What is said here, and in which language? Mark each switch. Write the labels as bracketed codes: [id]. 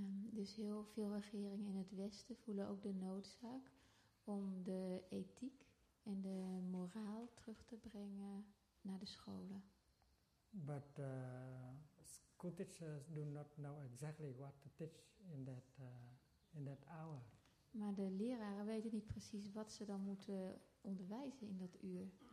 [nl] Dus heel veel regeringen in het Westen voelen ook de noodzaak om de ethiek en de moraal terug te brengen naar de scholen. [en] But school teachers do not know exactly what to teach in that hour. [nl] Maar de leraren weten niet precies wat ze dan moeten onderwijzen in dat uur.